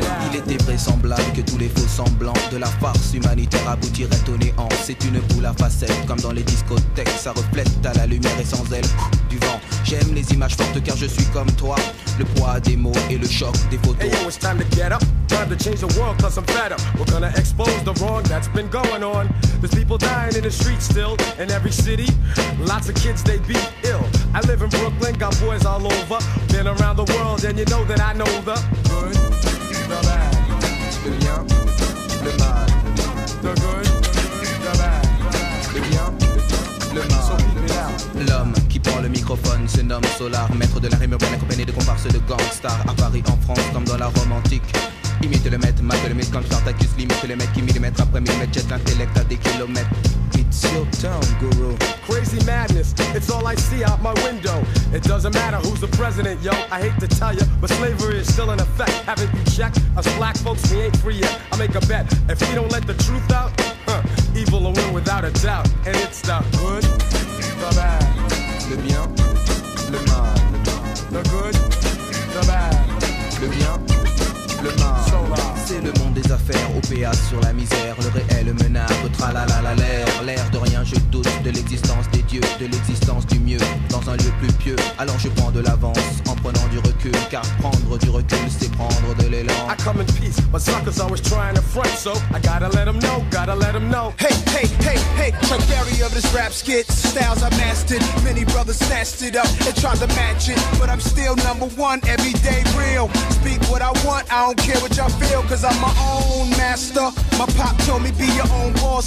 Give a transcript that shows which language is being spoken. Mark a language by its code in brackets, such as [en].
[fr] Il était vraisemblable que tous les faux semblants de la farce humanitaire aboutiraient au néant. C'est une boule à facettes, comme dans les discothèques, ça reflète à la lumière et sans elle du vent. J'aime les images fortes car je suis comme toi. Le poids des mots et le choc des photos. [en] Hey, yo, it's time to get up. Time to change the world cause I'm fed up. We're gonna expose the wrong that's been going on. There's people dying in the streets still. In every city, lots of kids they be ill. I live in Brooklyn, got boys all over. Been around the world and you know that I know the good, the bad, the young, the mad. The good, the bad, the young, the mad. So keep it out. [fr] L'homme qui prend le microphone se nomme Solar. Maître de la rime urbaine accompagné de comparses de gangstar. À Paris, en France, comme dans la Rome antique. Imite le maître, mate le mythe comme Spartacus. Limite le maître qui millimètre après millimètre jette l'intellect à des kilomètres. [en] It's your town, guru. Crazy madness, it's all I see out my window. It doesn't matter who's the president, yo. I hate to tell you, but slavery is still in effect. Haven't you checked? Us black folks, we ain't free yet. I make a bet, if we don't let the truth out, evil will win without a doubt. And it's the good, the bad, [fr] le bien, le mal. [en] The good, the bad, [fr] le bien, le mal. C'est le monde des affaires, OPA sur la misère. Le réel menace, tralalala l'air. L'air de rien, je doute de l'existence des dieux. De l'existence du mieux, dans un lieu plus pieux. Alors je prends de l'avance, en prenant du recul. Car prendre du recul, c'est prendre de l'élan. [en] I come in peace, but suckers always trying to front. So I gotta let them know, gotta let them know. Hey, hey, hey, hey, Chuck Berry of this rap skit. Styles I mastered, many brothers snatched it up. And tried to match it, but I'm still number one. Everyday real, speak what I want. I don't care what y'all feel. Cause I'm my own master. My pop told me be your own boss.